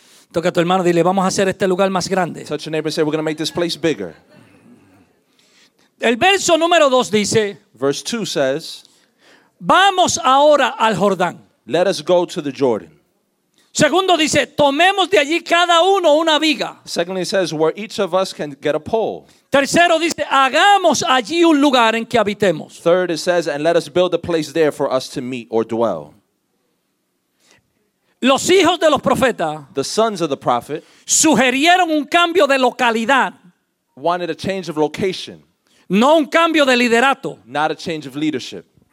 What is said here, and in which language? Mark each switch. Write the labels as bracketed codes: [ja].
[es] Toca a tu hermano, dile, vamos a hacer este lugar más grande. [en] Touch your neighbor and say, we're going to make this place bigger. [es] El verso número 2 dice, [en] verse 2 says, [es] vamos ahora al Jordán. [en] Let us go to the Jordan. [es] Segundo dice, tomemos de allí cada uno una viga. [en] Secondly, it says, where each of us can get a pole. [es] Tercero dice, hagamos allí un lugar en que habitemos. [en] Third, it says, and let us build a place there for us to meet or dwell. [es] Los hijos de los profetas, [en] the sons of the prophet, [es] sugirieron un cambio de localidad, [en] wanted a change of location, [es] no un cambio de liderato, [en] not a change of leadership.